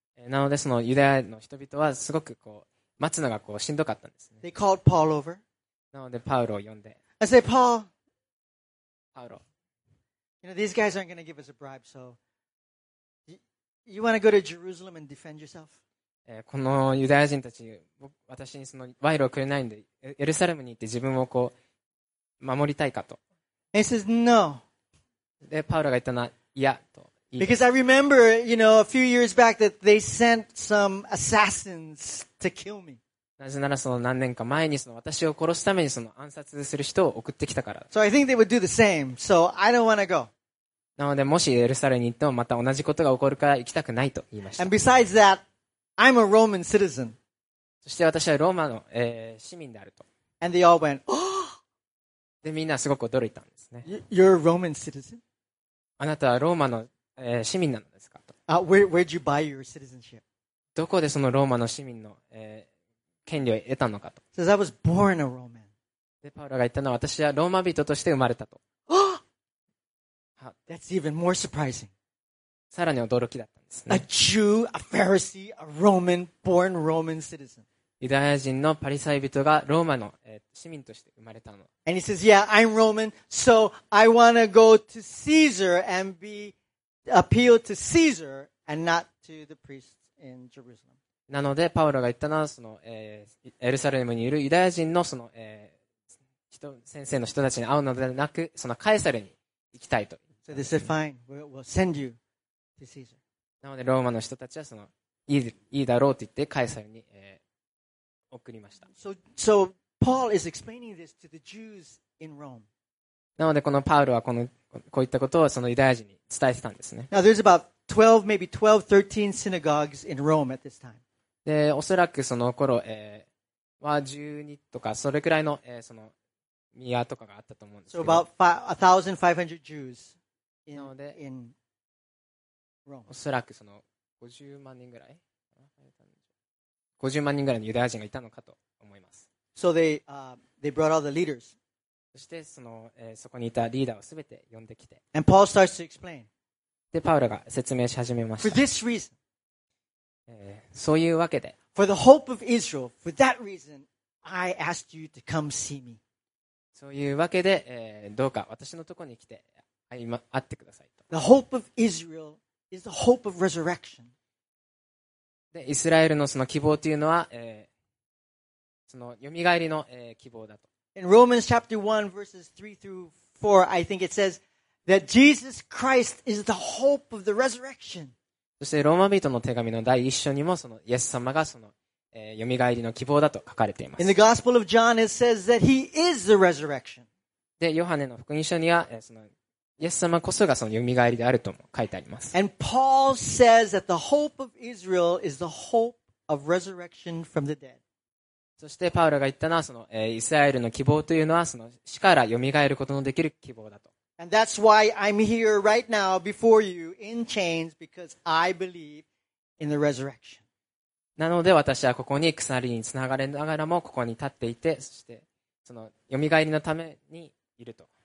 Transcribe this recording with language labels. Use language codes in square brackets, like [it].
[ja] なのでそのユダヤの人々はすごくこう待つのがこうしんどかったんですね。 [en] They called Paul over. [ja] なのでパウロを呼んで。 [en] I say, Paul. [ja] パウロ。 [en] You know, these guys aren't going to give us a bribe, so you want to go to Jerusalem and defend yourself? [ja] このユダヤ人たち、私にその賄賂をくれないんで、エルサレムに行って自分をこう守りたいかと。 [en] He says no. [ja] で、パウロが言ったのは、いやと。 [en] Because I remember, you know, a few years back that they sent some assassins to kill me. [ja] なぜならその何年か前にその私を殺すためにその暗殺する人を送ってきたから。 [en] So I think they would do the same. So I don't want to go. [ja] なのでもしエルサレムに行ってもまた同じことが起こるから行きたくないと言いました。 [en] And besides that, I'm a Roman citizen. [ja] そして私はローマの、市民であると。 [en] And they all went, oh! [ja] で、みんなすごく驚いたんですね。 [en] You're a Roman citizen? [ja] あなたはローマの、市民なのですかと。 [en] Where'd you buy your citizenship? [ja] どこでそのローマの市民の、権利を得たのかと。 [en] So I was born a Roman. [ja] で、パウロが言ったのは、私はローマ人として生まれたと。 [en] That's even more surprising. [ja] さらに驚きだったんですね。 [en] A Jew, a Pharisee, a Roman, born Roman citizen. [ja] ユダヤ人のパリサイ人がローマの市民として生まれたの。 [en] And he says, yeah, I'm Roman, so I want to go to Caesar and be appealed to Caesar and not to the priests in Jerusalem. [ja] なのでパウロが言ったのはその、エルサレムにいるユダヤ人のその、先生の人たちに会うのではなく、そのカエサルに行きたいと。 [en] So they said, fine, we'll send you to Caesar. [ja] なのでローマの人たちはそのいいだろうと言ってカエサルに。送りました。 [en] So Paul is explaining this to the Jews in Rome. [ja] なのでこのパウロはこういったことをそのユダヤ人に伝えてたんですね。 [en] Now there's about 12, maybe 12, 13 synagogues in Rome at this time. [ja] で、おそらくその頃、は12とかそれくらいの、その宮とかがあったと思うんですけど。 [en] So about 1,500 Jews in, なので in Rome. [ja] おそらくその50万人ぐらい。50万人ぐらいのユダヤ人がいたのかと思います。 [en] So they brought all the leaders. [ja] そしてその、そこにいたリーダーをすべて呼んできて。 [en] And Paul starts to explain. [ja] で、パウロが説明し始めました。 [en] For this reason. [ja] そういうわけで。 [en] For the hope of Israel, for that reason, I asked you to come see me. [ja] そういうわけで、どうか私のところに来て、今会ってくださいと。 [en] The hope of Israel is the hope of resurrection. [ja] でイスラエルのその希望というのは、そのよみがえりの、希望だと。 [en] In Romans chapter 1 verses 3 through 4, I think it says that Jesus Christ is the hope of the resurrection. [ja] そしてローマ人の手紙の第一章にもそのイエス様がその、よみがえりの希望だと書かれています。 [en] In the Gospel of John it says that he is the resurrection. [ja] でヨハネの福音書には、そのイエス様こそがそのよみがえりであるとも書いてあります。 [en] And Paul says that the hope of Israel is the hope of resurrection from the dead. [ja] そしてパウロが言ったのはその、イスラエルの希望というのはその死からよみがえることのできる希望だと。 [en] And that's why I'm here right now before you in chains because I believe in the resurrection. [ja] なので私はここに鎖につながれながらもここに立っていて、そしてそのよみがえりのためにいると。